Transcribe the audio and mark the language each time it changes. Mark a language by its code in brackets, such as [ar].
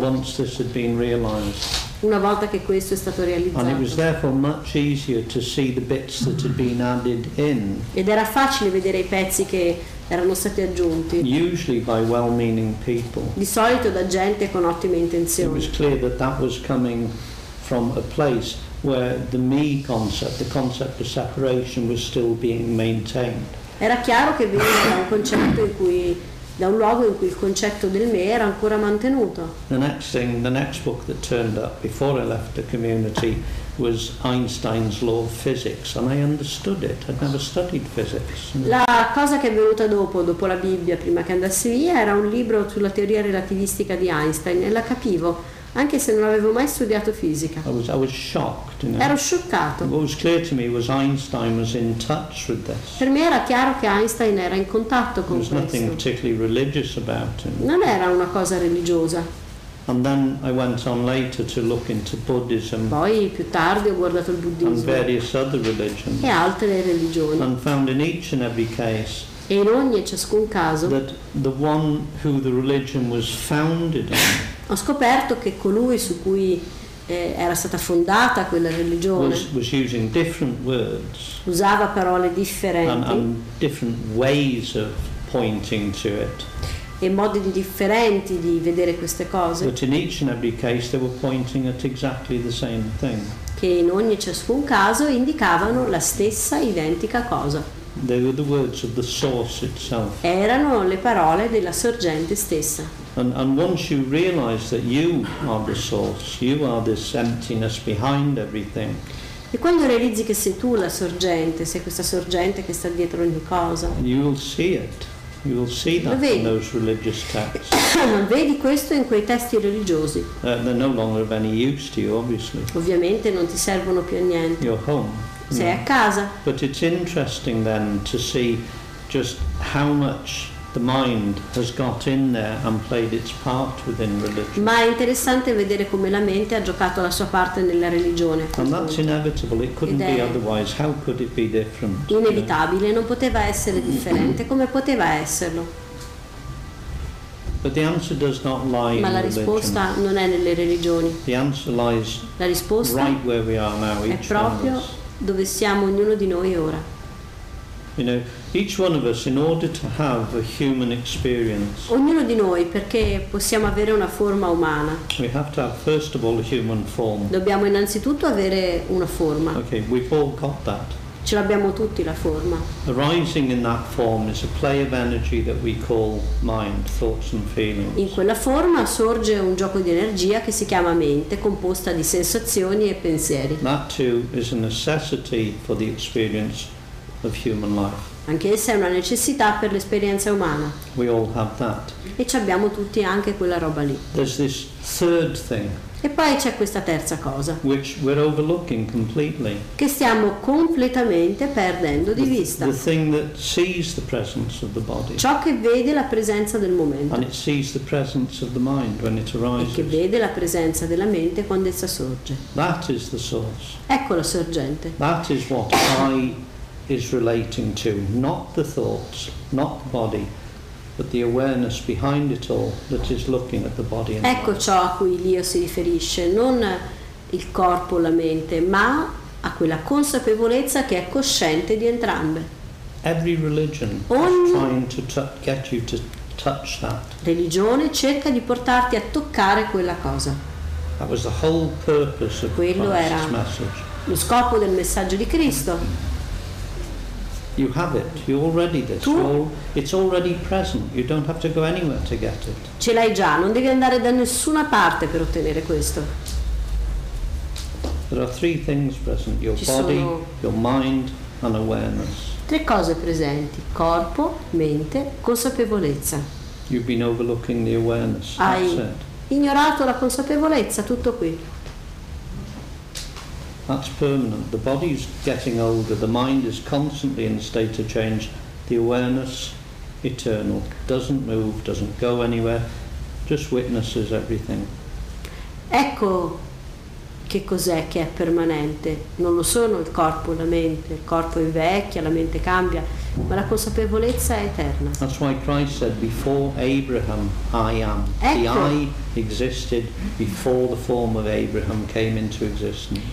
[en] Once this had been realized. [it] Una volta che questo è stato realizzato. [en] And it was therefore much easier to see the bits that had been added in. [it] Ed era facile vedere i pezzi che erano stati aggiunti. [en] Usually by well-meaning people. [it] Di solito da gente con ottime intenzioni. [en] It was clear that that was coming from a place where the me concept, the concept of separation, was still being maintained. [it] Era chiaro che veniva da un concetto in cui, da un luogo in cui il concetto del me era ancora mantenuto. [en] The next book that turned up before I left the community was Einstein's Law of Physics, and I understood it. I'd never studied physics. [it] La cosa che è venuta dopo la Bibbia, prima che andassi via, era un libro sulla teoria relativistica di Einstein, e la capivo, anche se non avevo mai studiato fisica. [en] I was shocked, you know? [it] Ero scioccato. [en] What was clear to me was Einstein was in touch with this. [it] Per me era chiaro che Einstein era in contatto con questo. [en] There was nothing particularly religious about him. [it] Non era una cosa religiosa. [en] And then I went on later to look into Buddhism. [it] Poi più tardi ho guardato il buddismo. [en] And various other religions. [it] E altre religioni. [en] And found in each and every case. [it] E in ogni e ciascun caso. [en] That the one who the religion was founded on. [it] Ho scoperto che colui su cui era stata fondata quella religione. [en] Was using different words. [it] Usava parole differenti. [en] And different ways of pointing to it. [it] E modi differenti di vedere queste cose. [en] But in each and every case they were pointing at exactly the same thing. [it] Che in ogni ciascun caso indicavano la stessa identica cosa. [en] They were the words of the source itself. [it] Erano le parole della sorgente stessa. [en] And once you realize that you are the source, you are this emptiness behind everything. [it] E quando realizzi che sei tu la sorgente, sei questa sorgente che sta dietro ogni cosa. [en] You will see it. You will see that in those religious texts. [it] Vedi questo in quei testi religiosi. [en] They're no longer of any use to you, obviously. [it] Ovviamente non ti servono più a niente. [en] You're home. [it] Sei a casa. [en] But it's interesting then to see just how much the mind has got in there and played its part within religion. [it] Ma è interessante vedere come la mente ha giocato la sua parte nella religione. [en] And that's inevitable. It couldn't be otherwise. How could it be different? [it] Inevitabile. Non poteva essere differente. Come poteva esserlo? [en] But the answer does not lie in [it] religion. Ma la risposta non è nelle religioni. [en] The answer lies [it] la risposta [en] right where we are now, [it] è proprio dove siamo ognuno di noi ora. [en] You know, each one of us, in order to have a human experience, [it] ognuno di noi, perché possiamo avere una forma umana, [en] we have to have first of all a human form. [it] Dobbiamo innanzitutto avere una forma. [en] Okay, we've all got that. [it] Ce l'abbiamo tutti la forma. [en] Arising in that form is a play of energy that we call mind, thoughts and feelings. [it] In quella forma sorge un gioco di energia che si chiama mente, composta di sensazioni e pensieri. [en] That too is a necessity for the experience of human life. [it] Anche essa è una necessità per l'esperienza umana. [en] We all have that. [it] E ci abbiamo tutti anche quella roba lì. [en] There's this third thing. [it] E poi c'è questa terza cosa. [en] Which we're overlooking completely. [it] Che stiamo completamente perdendo di vista. [en] The thing that sees the presence of the body. [it] Ciò che vede la presenza del momento. [en] And it sees the presence of the mind when it arises. [it] E che vede la presenza della mente quando essa sorge. [en] That is the source. [it] Ecco la sorgente. [en] That is what I is relating to, not the thoughts, not the body, but the awareness behind it all that is looking at the body. [it] Ecco ciò a cui l'io si riferisce, non il corpo, la mente, ma a quella consapevolezza che è cosciente di entrambe. [en] Every religion is trying to get you to touch that. [it] Religione cerca di portarti a toccare quella cosa. [en] That was the whole purpose of Christ's message. [it] Lo scopo del messaggio di Cristo. [en] You have it. You already this. It's already present. You don't have to go anywhere to get it. [it] Ce l'hai già. Non devi andare da nessuna parte per ottenere questo. [en] There are three things present: your body, your mind, and awareness. [it] Tre cose presenti: corpo, mente, consapevolezza. [en] You've been overlooking the awareness. [it] Hai [en] that's [it] ignorato la consapevolezza. Tutto qui. [en] That's permanent. The body is getting older. The mind is constantly in a state of change. The awareness, eternal, doesn't move, doesn't go anywhere, just witnesses everything. [it] Ecco che cos'è che è permanente. Non lo sono il corpo, la mente. Il corpo invecchia, la mente cambia, ma la consapevolezza è eterna. [en] That's why Christ said, "Before Abraham, I am." [it] Ecco. [en] The I existed before the form of Abraham came into existence.